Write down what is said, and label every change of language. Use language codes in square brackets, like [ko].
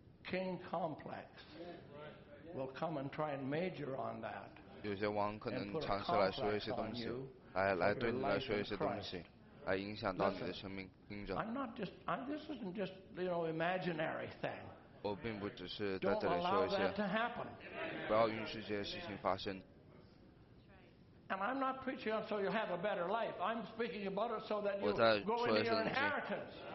[en] King Complex will come and try and major on that [zh] 有些王可能尝试来说一些东西来对你来说一些东西来影响到你的生命听着 [en] I'm not just, I'm, this isn't just, you know, imaginary thing. [zh] 我并不只是在这里说一些不要允许这些事情发生 [en] And I'm not preaching on so you have a better life. I'm speaking about it so that you go into your inheritance.